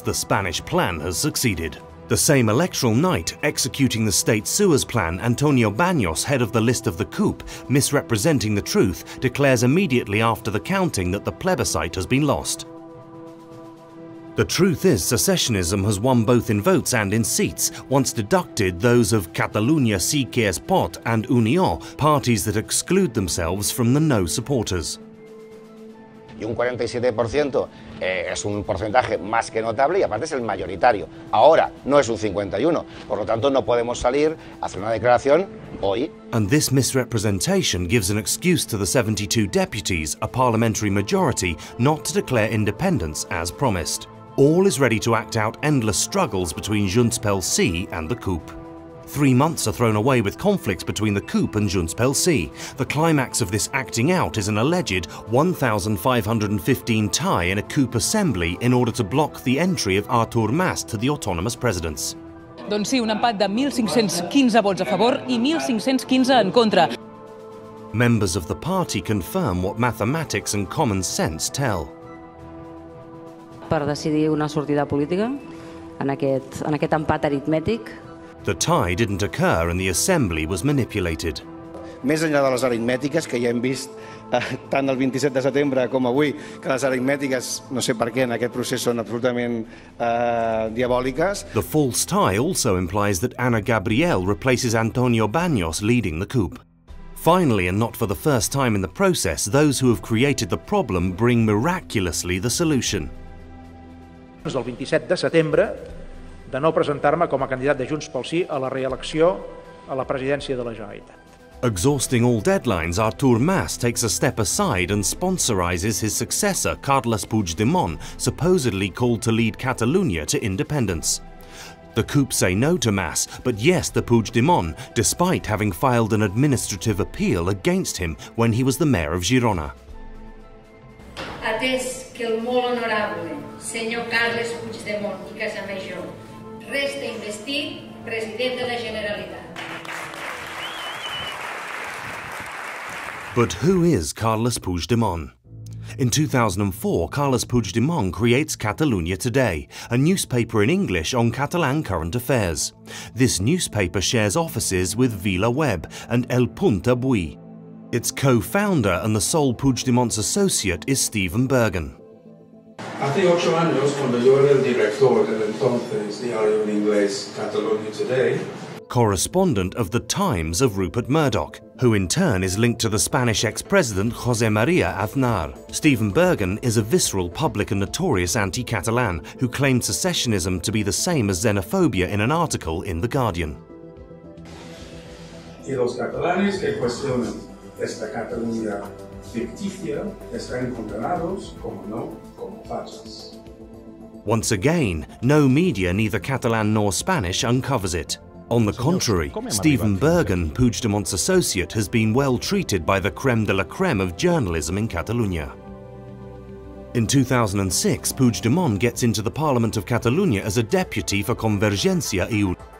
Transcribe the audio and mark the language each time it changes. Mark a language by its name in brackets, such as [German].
[English] The Spanish plan has succeeded. The same electoral night, executing the state sewers plan, Antonio Baños, head of the list of the coup, misrepresenting the truth, declares immediately after the counting that the plebiscite has been lost. The truth is, secessionism has won both in votes and in seats, once deducted those of Catalunya Sí que es Pot and Unió, parties that exclude themselves from the no supporters. [Spanish] y un 47% es un porcentaje más que notable y aparte es el mayoritario. Ahora no es un 51, por lo tanto no podemos salir a hacer una declaración hoy. [English] And this misrepresentation gives an excuse to the 72 deputies, a parliamentary majority, not to declare independence as promised. All is ready to act out endless struggles between Junts pel Sí and the coup. 3 months are thrown away with conflicts between the coup and Junts pel Sí. The climax of this acting out is an alleged 1,515 tie in a coup assembly in order to block the entry of Artur Mas to the autonomous presidents. [Catalan] Doncs sí, un empat de 1,515 vots a favor i 1,515 en contra. [English] Members of the party confirm what mathematics and common sense tell. [Catalan] Per decidir una sortida política en aquest empat aritmètic. [English] The tie didn't occur and the assembly was manipulated. [Catalan] Més enllà de les aritmètiques que ja hem vist tant el 27 de setembre com avui, que les aritmètiques, no sé per què, en aquest procés són absolutament diabòliques. [English] The false tie also implies that Ana Gabriel replaces Antonio Baños leading the coup. Finally, and not for the first time in the process, those who have created the problem bring miraculously the solution. [Catalan] El 27 de setembre, de no presentar-me com a candidat de Junts pel Sí a la reelecció a la presidència de la Generalitat. [English] Exhausting all deadlines, Artur Mas takes a step aside and sponsorizes his successor, Carles Puigdemont, supposedly called to lead Catalunya to independence. The coup say no to Mas, but yes to Puigdemont, despite having filed an administrative appeal against him when he was the mayor of Girona. [Catalan] Atès que el molt honorable senyor Carles Puigdemont i Casamajor resta investit president de la Generalitat. [English] But who is Carles Puigdemont? In 2004, Carles Puigdemont creates Catalunya Today, a newspaper in English on Catalan current affairs. This newspaper shares offices with VilaWeb and El Punt Avui. Its co-founder and the sole Puigdemont's associate is Steven Bergen. [Spanish] Hace 8 años, cuando yo era el director del entonces diario en inglés Catalunya Today, [English] correspondent of The Times of Rupert Murdoch, who in turn is linked to the Spanish ex-president José María Aznar. Stephen Bergen is a visceral public and notorious anti-Catalan who claimed secessionism to be the same as xenophobia in an article in The Guardian. [Spanish] Y los catalanes que cuestionan esta Cataluña ficticia están condenados, como no, como fachas. [English] Once again, no media, neither Catalan nor Spanish, uncovers it. On the contrary, Stephen Bergen, Puigdemont's associate, has been well treated by the creme de la creme of journalism in Catalunya. In 2006, Puigdemont gets into the Parliament of Catalunya as a deputy for Convergència I.